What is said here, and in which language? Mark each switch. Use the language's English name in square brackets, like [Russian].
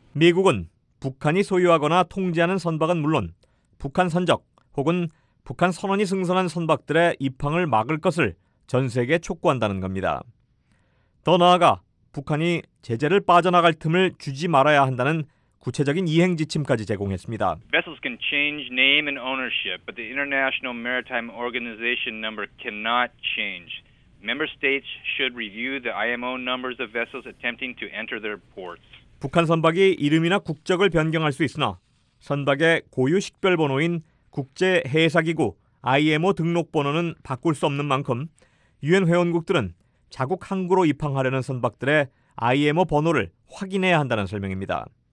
[Korean] 미국은 북한이 소유하거나 통제하는 선박은 물론 북한 선적 혹은 북한 선원이 승선한 선박들의 입항을 막을 것을 전 세계에 촉구한다는 겁니다. 더 나아가 북한이 제재를 빠져나갈 틈을 주지 말아야 한다는 구체적인 이행 지침까지 제공했습니다. [English] Vessels can change name and ownership, but the International Maritime Organization number cannot change. Member states should review the IMO numbers of vessels attempting to enter their ports. [Korean] 북한 선박이 이름이나 국적을 변경할 수 있으나 선박의 고유 식별 번호인 국제 해사 기구 IMO 등록 번호는 바꿀 수 없는 만큼 유엔 회원국들은 자국 항구로 입항하려는 선박들의 IMO 번호를 확인해야 한다는 설명입니다.